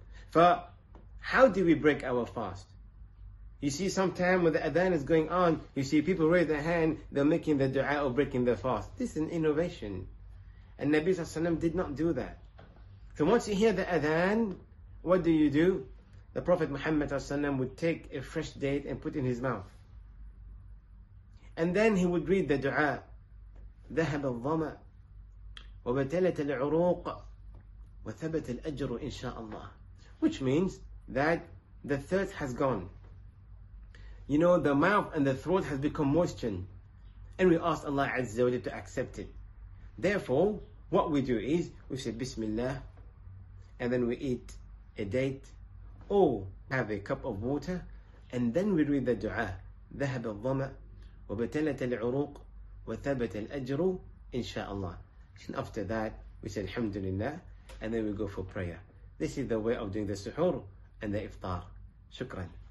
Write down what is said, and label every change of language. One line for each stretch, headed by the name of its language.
English: For how do we break our fast? You see, sometime when the adhan is going on, you see people raise their hand, they're making the dua or breaking their fast. This is an innovation. And Nabi sallallahu alaihi wasallam did not do that. So once you hear the adhan, what do you do? The Prophet Muhammad sallallahu alaihi wasallam would take a fresh date and put it in his mouth. And then he would read the dua.
Arabic: ذهب الظمأ وبتلت العروق وثبت الأجر إن شاء الله.
English: Which means that the thirst has gone. You know, the mouth and the throat has become moistened. And we ask Allah Azza wa Jalla to accept it. Therefore, what we do is, we say Bismillah, and then we eat a date, or have a cup of water, and then we read the dua.
Arabic: ذهب الظمأ وبتلت العروق وثبت الأجر إن شاء الله.
English: And after that, we say Alhamdulillah, and then we go for prayer. This is the way of doing the suhoor and the iftar. Shukran.